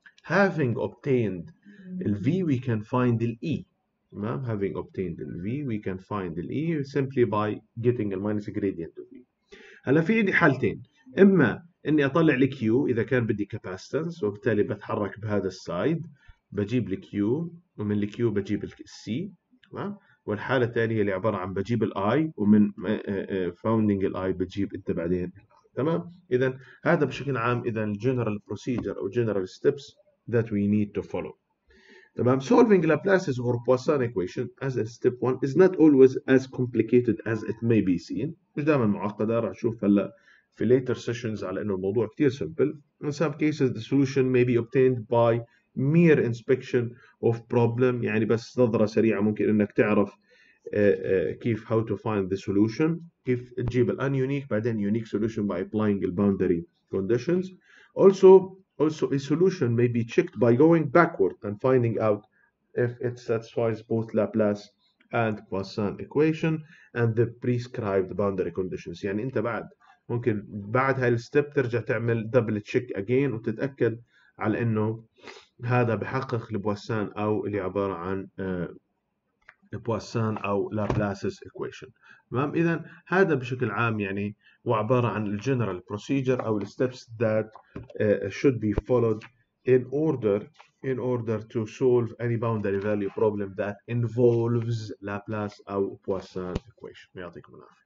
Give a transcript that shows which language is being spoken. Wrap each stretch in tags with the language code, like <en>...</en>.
<en>Having obtained the V we can find the E. Having obtained the V, we can find the E simply by getting the minus gradient of V.</en> <ar>هلا في عندي حالتين، إما إني أطلع الـ Q إذا كان بدي capacitance، وبالتالي بتحرك بهذا السايد بجيب الـ Q ومن الـ Q بجيب الـ C، تمام؟ والحالة الثانية اللي عبارة عن بجيب الـ I ومن founding الـ I بجيب أنت بعدين، تمام؟ إذا هذا بشكل عام إذا general procedure أو</ar> <en>general steps that we need to follow.</en> <ar>تمام.</ar> <en>Solving Laplace's or Poisson equation as a step one is not always as complicated as it may be seen.</en> <ar>مش دائما معقدة، راح نشوف هلا في</ar> <en>later sessions</en> <ar>على إنه الموضوع كتير simple.</ar> <en>In some cases the solution may be obtained by mere inspection of problem.</en> <ar>يعني بس نظرة سريعة ممكن إنك تعرف كيف</ar> <en>how to find the solution.</en> <ar>كيف تجيب الـ</ar> <en>ununique بعدين unique solution by applying the boundary conditions. Also, a solution may be checked by going backward and finding out if it satisfies both Laplace and Poisson equation and the prescribed boundary conditions.</en> <ar>يعني أنت بعد ممكن بعد هاي الستيب ترجع تعمل</ar> <en>double check again</en> <ar>وتتأكد على إنه هذا بحقق لبواسان أو اللي عبارة عن بواسان أو لابلاسس إكويشن. تمام، إذا هذا بشكل عام يعني هو عبارة عن الجنرال بروسيجر أو الستبس</ar> <en>That should be followed in order to solve any boundary value problem that involves Laplace or Poisson equation.</en> <ar>يعطيكم العافية.</ar>